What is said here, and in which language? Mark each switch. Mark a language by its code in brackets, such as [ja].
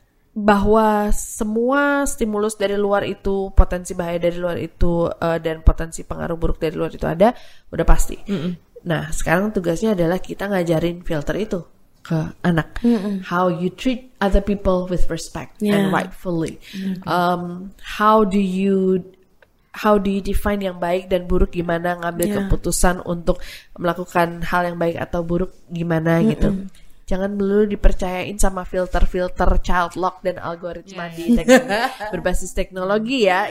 [id] Bahwa semua stimulus dari luar itu, potensi bahaya dari luar itu, dan potensi pengaruh buruk dari luar itu ada, udah pasti. Nah, sekarang tugasnya adalah kita ngajarin filter itu ke anak. [en] How you treat other people with respect and rightfully. How do you define [id] yang baik dan buruk, gimana ngambil keputusan untuk melakukan hal yang baik atau buruk, gimana gitu. Jangan melulu dipercayain sama filter-filter child lock dan algoritma di berbasis teknologi ya.